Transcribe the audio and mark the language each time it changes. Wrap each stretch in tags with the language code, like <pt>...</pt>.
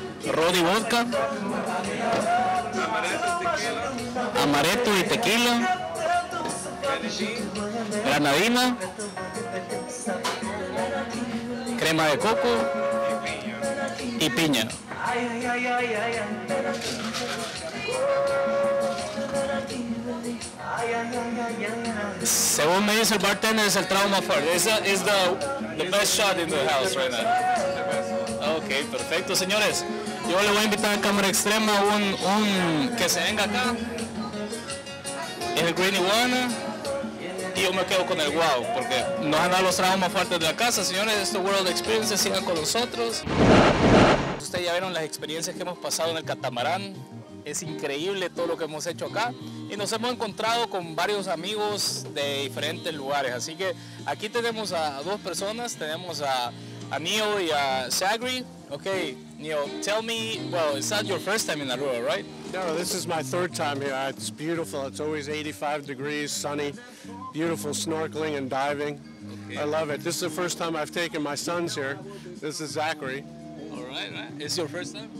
<es>Ron y vodka, amaretto y tequila, granadina, crema de coco y piña. Según me dice el bartender, es el trauma fuerte.</es> <en>Es the best shot in the house right now.</en> <es>Ok, perfecto, señores. Yo le voy a invitar a cámara extrema un que se venga acá. Es el Green Iguana. Y yo me quedo con el Wow, porque nos han dado los traumas fuertes de la casa. Señores, esto es World Experiences, sigan con nosotros. Ustedes ya vieron las experiencias que hemos pasado en el catamarán. Es increíble todo lo que hemos hecho acá y nos hemos encontrado con varios amigos de diferentes lugares, así que aquí tenemos a dos personas, tenemos a Neo y a Sagri.</es> <en>Okay, Neo, tell me, well, it's not your first time in Aruba, right? No, this is my third time here. It's beautiful. It's always 85 degrees, sunny, beautiful snorkeling and diving. Okay. I love it. This is the first time I've taken my sons here. This is Zachary. Right, man. It's your first time?</en>